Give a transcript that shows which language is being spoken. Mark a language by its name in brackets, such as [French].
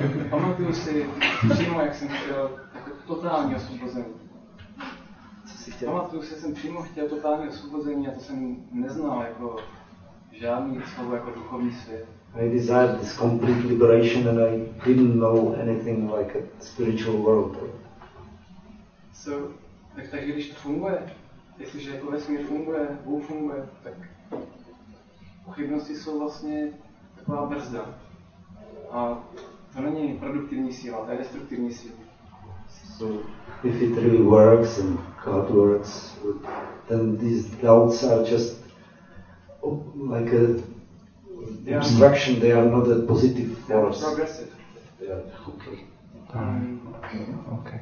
[Czech] Pamatuju si přímo, jak jsem chtěl jako totální osvobození. Co jsi chtěl? Pamatuju si, že jsem přímo chtěl totální osvobození a to jsem neznal jako žádný slovo jako duchovní svět. [English] I desired this complete liberation and I didn't know anything like a spiritual world. [Czech] So, tak když to funguje, jestliže jako vesmír funguje, Bůh funguje, tak pochybnosti jsou vlastně taková brzda. A to není produktivní síla, to je destruktivní síla. [English] So if it really works and God works, then these doubts are just like an obstruction, they are not a positive force. They are progressive. Yeah, okay. Okay.